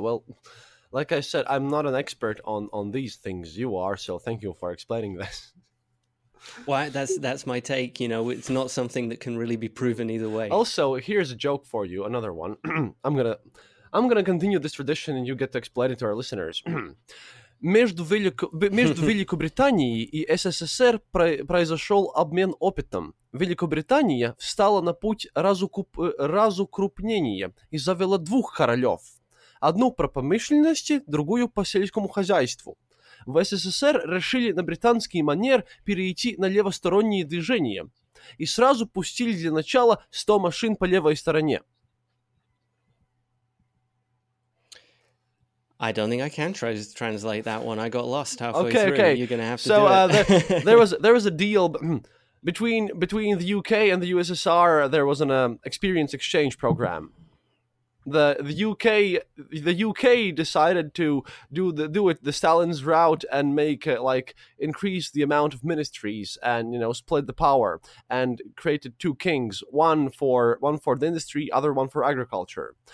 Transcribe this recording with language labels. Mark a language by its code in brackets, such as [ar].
[en] Well, like I said, I'm not an expert on these things. You are, so thank you for explaining this. Well, that's my take. You know, it's not something that can really be proven either way. Also, here's a joke for you, another one. I'm gonna continue this tradition, and you get to explain it to our listeners. [ru] Между Великобританией и СССР произошел обмен опытом. Великобритания встала на путь разукрупнения и завела двух королев. Одну про промышленности, другую по сельскому хозяйству. В СССР решили на британский манер перейти на левосторонние движения и сразу пустили для начала 100 машин по левой стороне. [en] I don't think I can translate that one. I got lost halfway okay, through. Okay. You're going to have to so, do it. So there was a deal between the UK and the USSR. There was an experience exchange program. The UK decided to do it the Stalin's route and increase the amount of ministries and, you know, split the power and created two kings, one for the industry, other one for agriculture.